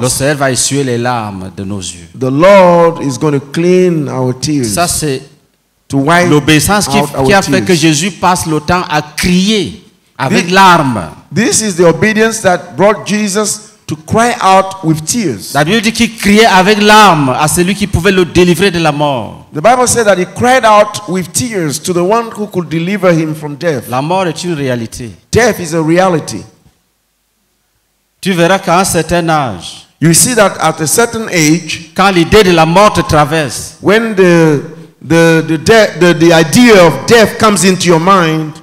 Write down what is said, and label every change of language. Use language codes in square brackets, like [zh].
[fr] Le Seigneur va essuyer les larmes de nos yeux. [en] The Lord is going to clean our tears. [fr] Ça c'est l'obéissance qui a fait que Jésus passe le temps à crier avec larmes. [en] This is the obedience that brought Jesus to cry out with tears. [fr] La Bible dit qu'il criait avec larmes à celui qui pouvait le délivrer de la mort. [en] The Bible says that he cried out with tears to the one who could deliver him from death. [fr] La mort est une réalité. [en] Death is a reality. [fr] Tu verras qu'à un certain âge, [en] you see that at a certain age, [fr] quand l'idée de la mort te traverse, [en] when the idea of death comes into your mind,